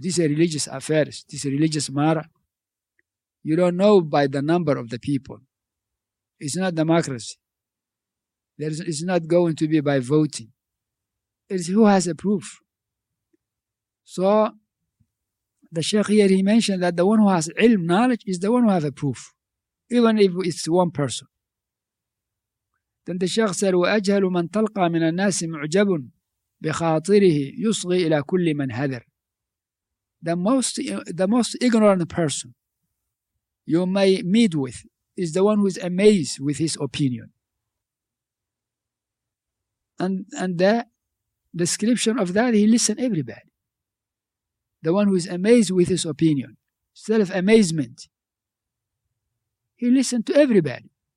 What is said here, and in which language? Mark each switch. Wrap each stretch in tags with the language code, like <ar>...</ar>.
<en>This is a religious affair. This is a religious matter. You don't know by the number of the people. It's not democracy. It's not going to be by voting. It's who has a proof. So the Sheikh here, he mentioned that the one who has ilm, knowledge, is the one who has a proof, even if it's one person. Then the Sheikh said,</en> <ar>وَأَجْهَلُ مَنْ تَلْقَى مِنَ النَّاسِ مُعْجَبٌ بِخَاطِرِهِ يُصْغِي إِلَى كُلِّ مَنْ هَذَرْ.</ar> <en>The most ignorant person you may meet with is the one who is amazed with his opinion. And the description of that, he listened to everybody. The one who is amazed with his opinion, self-amazement, he listened to everybody.</en>